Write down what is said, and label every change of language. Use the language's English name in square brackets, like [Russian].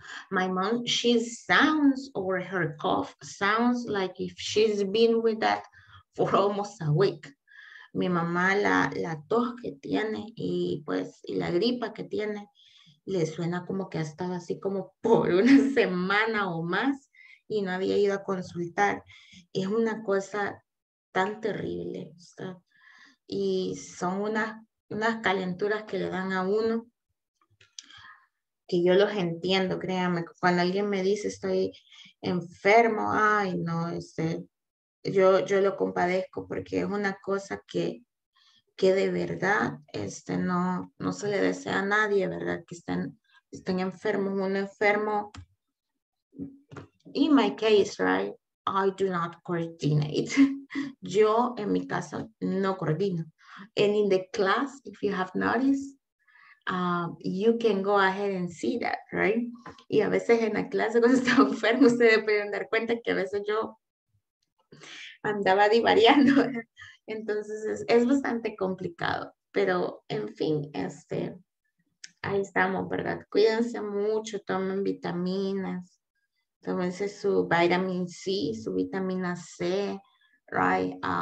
[English] My mom, she sounds, or her cough sounds like if she's been with that for almost a week. [Spanish] Mi mamá, la tos que tiene y la gripa que tiene, le suena como que ha estado así como por una semana o más y no había ido a consultar. Es una cosa tan terrible, ¿sabes? Y son unas calenturas que le dan a uno que yo los entiendo, créanme. Cuando alguien me dice estoy enfermo, ay, no, yo lo compadezco porque es una cosa que de verdad no se le desea a nadie, ¿verdad? Que estén enfermos, uno enfermo. [English] In my case, right, I do not coordinate. [Spanish] Yo en mi caso no coordino. [English] And in the class, if you have noticed, you can go ahead and see that, right? [Spanish] Y a veces en la clase cuando estaba enfermo, ustedes pueden dar cuenta que a veces yo andaba divariando. Entonces es bastante complicado. Pero en fin, ahí estamos, ¿verdad? Cuídense mucho, tomen vitaminas, tómense su vitamin C, su vitamina C, right?